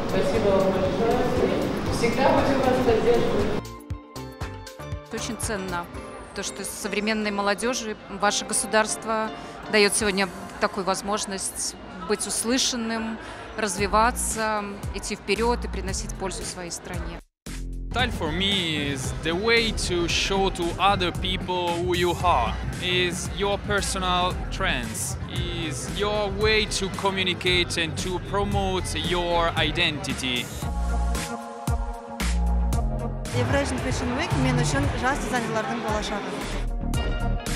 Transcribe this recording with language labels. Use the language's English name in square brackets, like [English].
[Russian] Спасибо вам большое. Всегда будем вас поддерживать. Очень ценно то, что современной молодежи ваше государство дает сегодня такую возможность быть услышанным, развиваться, идти вперед и приносить пользу своей стране. [English] Style for me is the way to show to other people who you are, is your personal trends, is your way to communicate and to promote your identity. [Kazakh] Evrasian Fashion Week мен үшін жас дизайнерлардың болашағы.